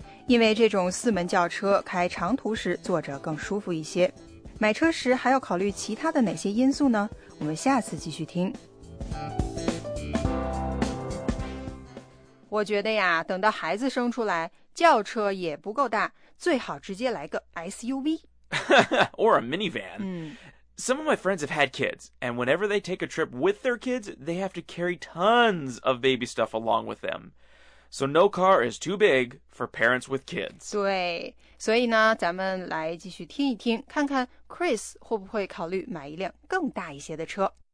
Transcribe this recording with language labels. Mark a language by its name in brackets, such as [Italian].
[Chinese] 因为这种四门轿车开长途时坐着更舒服一些买车时还要考虑其他的哪些因素呢我们下次继续听我觉得呀等到孩子生出来轿车也不够大最好直接来个 SUV [English] Or a minivan. Some of my friends have had kids, and whenever they take a trip with their kids, they have to carry tons of baby stuff along with them. So no car is too big for parents with kids. [Chinese] 对，所以呢，咱们来继续听一听，看看 Chris 会不会考虑买一辆更大一些的车。